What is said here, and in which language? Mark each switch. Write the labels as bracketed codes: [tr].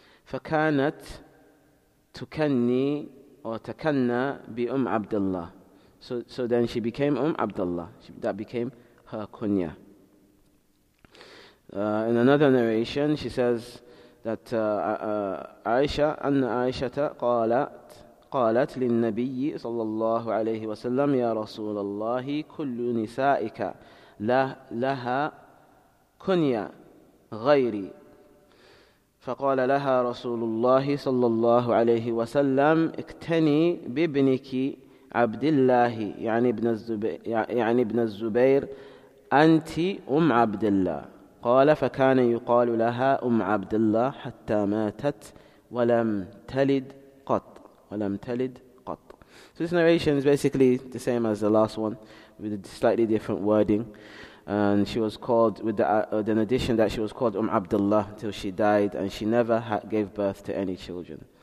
[ar] فَكَانَتْ تُكَنِّي or تَكَنَّ بِأُمْ Abdullah. [en] So then she became Abdullah. That became her kunya. In another narration, she says that Aisha, [ar] Anna Aisha qalat lin nabiy sallallahu alayhi wa sallam, ya rasul Allah, kullu nisa'ika laha kunya ghayri. Faqala laha rasulullah sallallahu alayhi wa sallam, iktani bibniki Abdullah, yani ibn Zubair, anti Abdullah. قال فكان يقال لها عبد الله حتى ماتت ولم تلد قط ولم تلد قط. [en] So this narration is basically the same as the last one, with a slightly different wording. And she was called with an addition that she was called عبد الله until she died, and she never gave birth to any children.